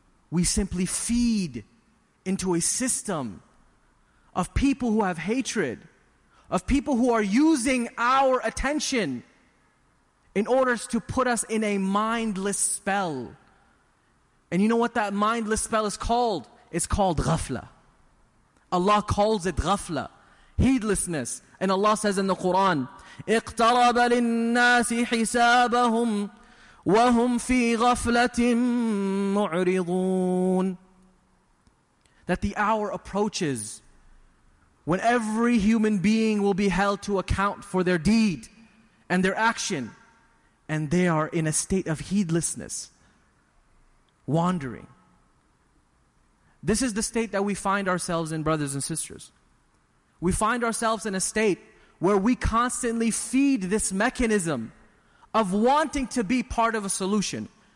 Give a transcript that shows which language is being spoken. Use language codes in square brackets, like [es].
[en] We simply feed into a system of people who have hatred, of people who are using our attention in order to put us in a mindless spell. And you know what that mindless spell is called? It's called ghafla. Allah calls it ghafla, heedlessness. And Allah says in the Quran, [ar] اِقْتَرَبَ لِلنَّاسِ حِسَابَهُمْ وَهُمْ فِي غَفْلَةٍ مُعْرِضُونَ. [en] That the hour approaches when every human being will be held to account for their deed and their action, and they are in a state of heedlessness, wandering. This is the state that we find ourselves in, brothers and sisters. We find ourselves in a state where we constantly feed this mechanism of wanting to be part of a solution.